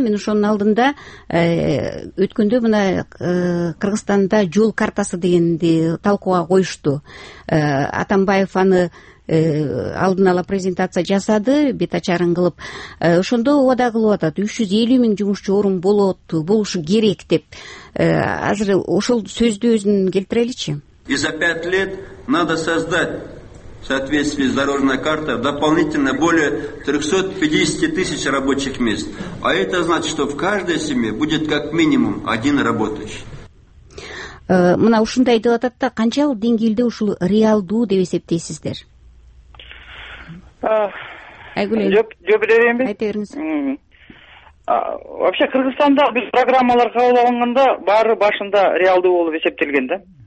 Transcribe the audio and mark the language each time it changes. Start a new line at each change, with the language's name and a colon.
Kyrgyz: Мен ошонун алдында өткөндө мына Кыргызстанда жол картасы дегенди талкууга коюшту. Атамбаев аны алдын ала презентация жасады бет ачарын кылып, ошондо убада кылып атат 350 000 жумушчу орун болот, болушу керек деп. Азыр ошол сөздү өзүн келтиреличи.
Russian: И за 5 лет надо создать в соответствии с дорожной картой дополнительно более 350 000 рабочих мест, а это значит, что в каждой семье будет как минимум один работающий.
Kyrgyz: Мына ушундай деп атат да, канчалык деңгээлде ушул реалдуу деп эсептейсиздер? Айгүл, жөбүлөрүңүз. Айта бериңиз. Вообще Кыргызстанда биз программалар кабыл алганда баары башында реалдуу болуп эсептелген да.